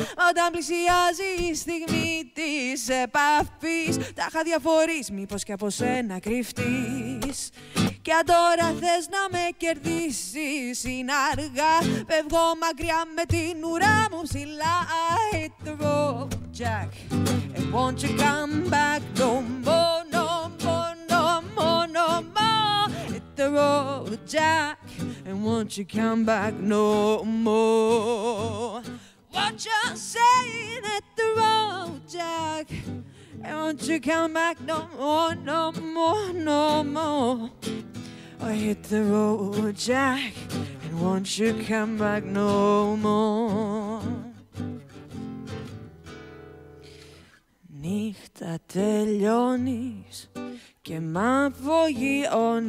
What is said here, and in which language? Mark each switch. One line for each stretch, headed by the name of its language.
Greek: Όταν πλησιάζει η στιγμή της επαφής, τα χάδια φορείς, μήπως και από σένα κρυφτείς. Και αν τώρα θες να με κερδίσεις, είναι αργά. Πεύγω μακριά με την ουρά μου ψηλά.
English: Hit the road, Jack, and won't you come back no more, no more, no more, no more. Hit the road, Jack, and won't you come back no more. What you saying? Hit the road, Jack, and won't you come back no more, no more, no more. I hit the road, Jack, and won't you come back no more.
Greek: Νύχτα τελειώνεις και μ' αφογειώνεις.